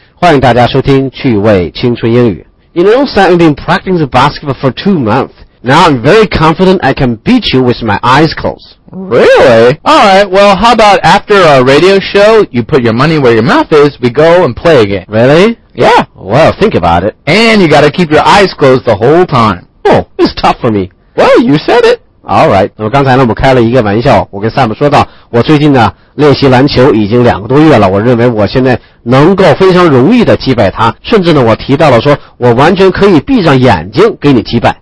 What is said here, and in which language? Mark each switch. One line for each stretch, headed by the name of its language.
Chinese: 欢迎大家收听趣味青春英语。
English: You know, Sam, I've been practicing basketball for 2 months. Now I'm very confident I can beat you with my eyes closed. Really? All right. Well, how about after our radio show, you put your money where your mouth is, we go and play again. Really? Yeah. Well, think about it. And you got to keep your eyes closed the whole time. Oh, it's tough for me. Well, you said it.
Chinese: Alright, 那么刚才呢我们开了一个玩笑，我跟 Sam 说到我最近呢练习篮球已经2个多月了，我认为我现在能够非常容易的击败他，甚至呢我提到了说我完全可以闭上眼睛给你击败。